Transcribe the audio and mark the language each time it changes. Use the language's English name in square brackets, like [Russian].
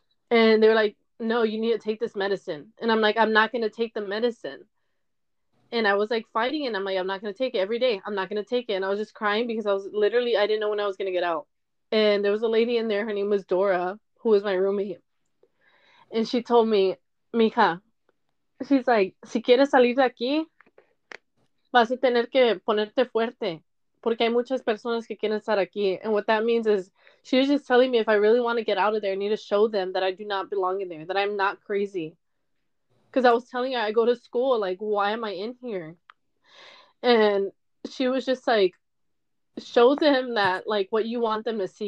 [English] And they were like, no, you need to take this medicine. And I'm like, I'm not going to take the medicine. And I was, like, fighting, and I'm like, I'm not going to take it every day. I'm not going to take it. And I was just crying because I was literally, I didn't know when I was going to get out. And there was a lady in there. Her name was Dora, who was my roommate. And she told me, mija, she's like, [Spanish] si quieres salir de aquí, vas a tener que ponerte fuerte, porque hay muchas personas que quieren estar aquí. [English] And what that means is, she was just telling me if I really want to get out of there, I need to show them that I do not belong in there, that I'm not crazy. Because I was telling her, I go to school, like, why am I in here? And she was just like, show them that, like, what you want them to see.